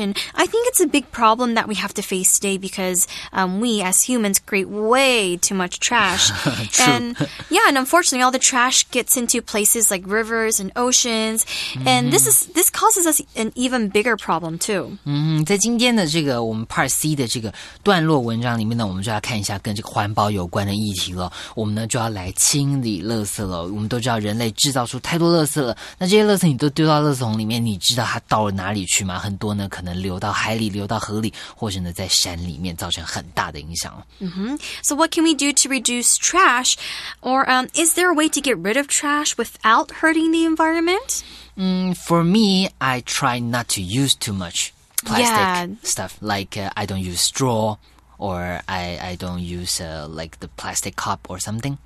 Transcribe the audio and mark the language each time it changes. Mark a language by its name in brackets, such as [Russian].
[English] And I think it's a big problem that we have to face today because、we as humans create way too much trash. True. And, yeah, and unfortunately, all the trash gets into places like rivers and oceans. And、mm-hmm. this causes us an even bigger problem, too.、 Mm-hmm. [Chinese] 在今天的这个我们 part C 的这个段落文章里面呢，我们就要看一下跟这个环保有关的议题了。我们呢就要来清理垃圾了。我们都知道人类制造出太多垃圾了。那这些垃圾你都丢到垃圾桶里面，你知道它到了哪里去吗？很多呢可能流到海里流到河里或者呢在山里面造成很大的影响、 mm-hmm. [English] So what can we do to reduce trash? Or、is there a way to get rid of trash without hurting the environment?、 For me, I try not to use too much plastic、yeah. stuff. Like、I don't use straw or I don't use、like the plastic cup or something.